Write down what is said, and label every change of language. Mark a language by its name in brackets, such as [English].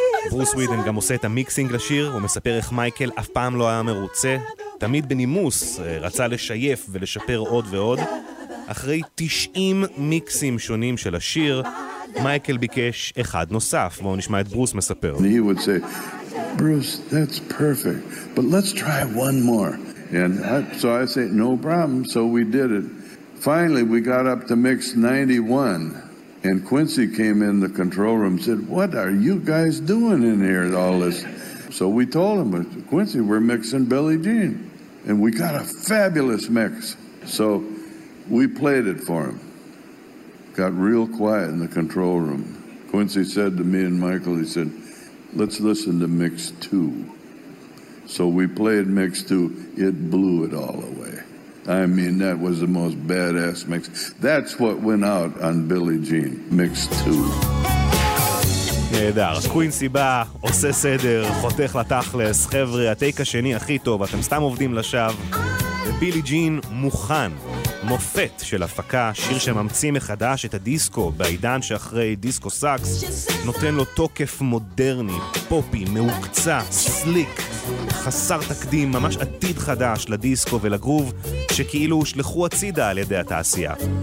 [Hebrew] ברוס ווידן גם עושה את המיקסינג לשיר, הוא מספר איך מייקל אף פעם לא היה מרוצה, תמיד בנימוס, רצה לשייף ולשפר עוד ועוד. אחרי 90 מיקסים שונים של השיר, מייקל ביקש אחד נוסף, בואו נשמע את ברוס מספר. [English] He would say, Bruce, that's perfect, but let's try one more. And so I say, no problem, so we did it. Finally, we got up to mix 91. And Quincy came in the control room and said, what are you guys doing in here, all this? So we told him, Quincy, we're mixing Billie Jean. And we got a fabulous mix. So we played it for him. Got real quiet in the control room. Quincy said to me and Michael, he said, let's listen to mix two. So we played mix two. It blew it all away. I mean, that was the most badass mix. That's what went out on Billie Jean, mix 2. [Hebrew] נהדר, קווינסי בא, עושה סדר, חותך לתכלס, חבר'ה, הטייק השני הכי טוב, אתם סתם עובדים לשווא. ובילי ג'ין מוכן, מופת של הפקה, שיר שממציא מחדש את הדיסקו, בעידן שאחרי דיסקו סאקס, נותן לו תוקף מודרני, פופי, מעוקצע, סליק, חסר תקדים, ממש עתיד חדש לדיסקו ולגרוב, שכאילו הושלכו הצידה על ידי התעשייה.